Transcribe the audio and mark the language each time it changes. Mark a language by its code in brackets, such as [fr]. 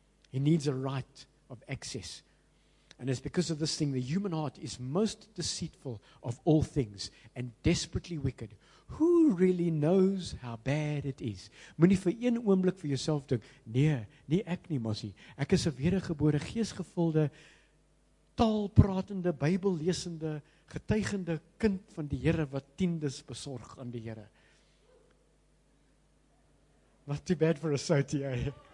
[en] He needs a right of access. And it's because of this thing, the human heart is most deceitful of all things and desperately wicked. Who really knows how bad it is? [af] Moenie vir een oomblik vir jouself dink, nee, nie ek nie, mosie. Ek is 'n wedergebore, geesgevulde, taalpratende, Bybellesende, getuigende kind van die Here wat tiendes besorg aan die Here. [en] Not too bad for a society, eh?